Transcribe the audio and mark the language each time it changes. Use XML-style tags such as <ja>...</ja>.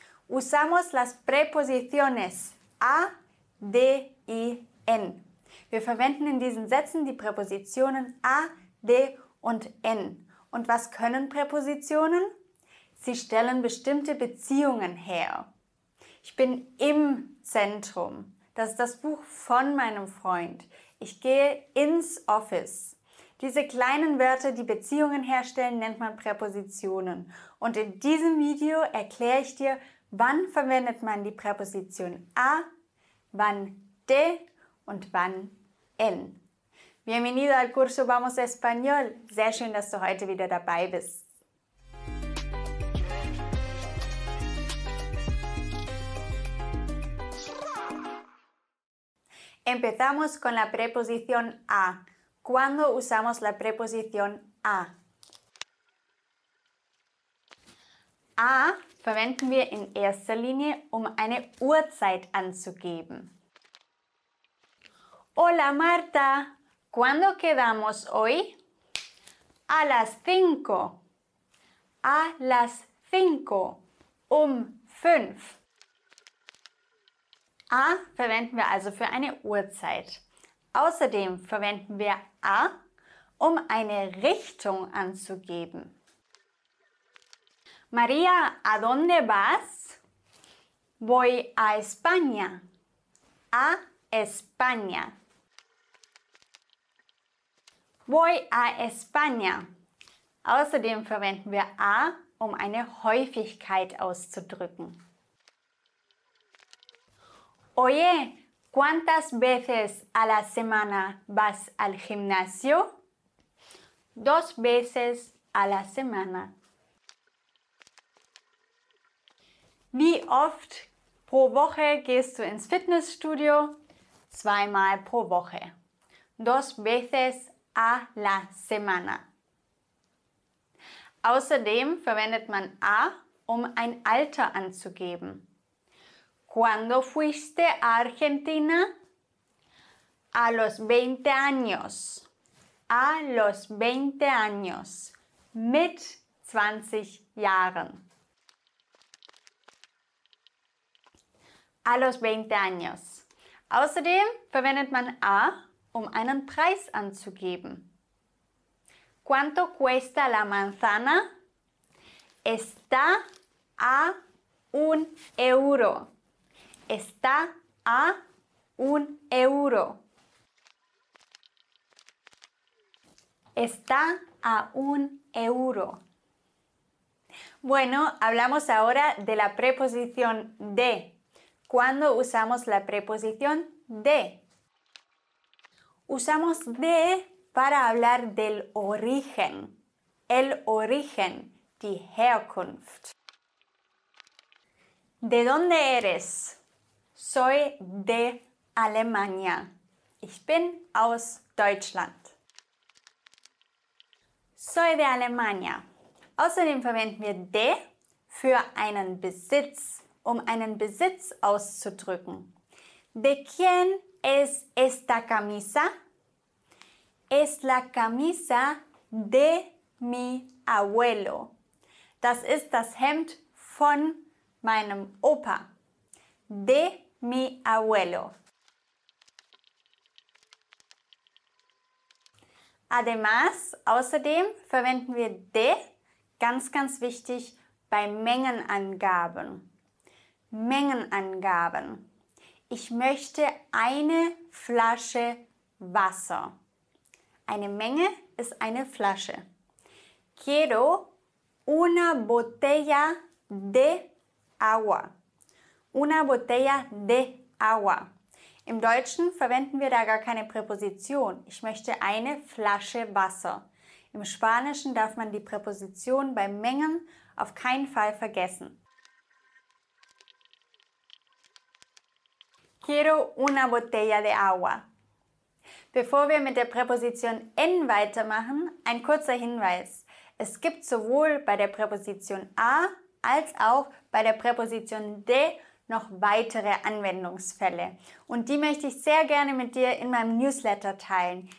<es>Usamos las preposiciones a, de y en.</es> <de>Wir verwenden in diesen Sätzen die Präpositionen a, de und en. Und was können Präpositionen? Sie stellen bestimmte Beziehungen her. Ich bin im Zentrum. Das ist das Buch von meinem Freund. Ich gehe ins Office. Diese kleinen Wörter, die Beziehungen herstellen, nennt man Präpositionen. Und in diesem Video erkläre ich dir, wann verwendet man die Präposition a, wann de und wann en.</de> <es>Bienvenido al curso Vamos Español.</es> <de>Sehr schön, dass du heute wieder dabei bist.</de> <es>Empezamos con la preposición a. ¿Cuándo usamos la preposición a?</es> <de>A verwenden wir in erster Linie, um eine Uhrzeit anzugeben.</de> <es>Hola Marta, ¿cuándo quedamos hoy? A las cinco. A las cinco.</es> <de>Fünf. A verwenden wir also für eine Uhrzeit. Außerdem verwenden wir A, um eine Richtung anzugeben.</de> <es>Maria, ¿a dónde vas? Voy a España. A España. Voy a España.</es> <de>Außerdem verwenden wir A, um eine Häufigkeit auszudrücken.</de> <es>Oye, ¿cuántas veces a la semana vas al gimnasio? Dos veces a la semana.</es> <de>Wie oft pro Woche gehst du ins Fitnessstudio? Zweimal pro Woche.</de> <es>Dos veces a la semana.</es> <de>Außerdem verwendet man A, um ein Alter anzugeben.</de> <es>¿Cuándo fuiste a Argentina? A los 20 años. A los 20 años.</es> <de>Mit 20 Jahren.</de> <es>A los 20 años.</es> <de>Außerdem verwendet man A, um einen Preis anzugeben.</de> <es>¿Cuánto cuesta la manzana? Está a un euro. Está a un euro. Está a un euro. Bueno, hablamos ahora de la preposición de. ¿Cuándo usamos la preposición de? Usamos de para hablar del origen. El origen,</es> <de>die Herkunft.</de> <es>¿De dónde eres? Soy de Alemania.</es> <de>Ich bin aus Deutschland.</de> <es>Soy de Alemania.</es> <de>Außerdem verwenden wir de für einen Besitz, um einen Besitz auszudrücken.</de> <es>¿De quién es esta camisa? Es la camisa de mi abuelo.</es> <de>Das ist das Hemd von meinem Opa.</de> <es>de mi abuelo. Además,</es> <de>außerdem verwenden wir de, ganz, ganz wichtig, bei Mengenangaben. Mengenangaben. Ich möchte eine Flasche Wasser. Eine Menge ist eine Flasche.</de> <es>Quiero una botella de agua. Una botella de agua.</es> <de>Im Deutschen verwenden wir da gar keine Präposition. Ich möchte eine Flasche Wasser. Im Spanischen darf man die Präposition bei Mengen auf keinen Fall vergessen.</de> <es>Quiero una botella de agua.</es> <de>Bevor wir mit der Präposition en weitermachen, ein kurzer Hinweis. Es gibt sowohl bei der Präposition a als auch bei der Präposition de noch weitere Anwendungsfälle. Und die möchte ich sehr gerne mit dir in meinem Newsletter teilen.</de>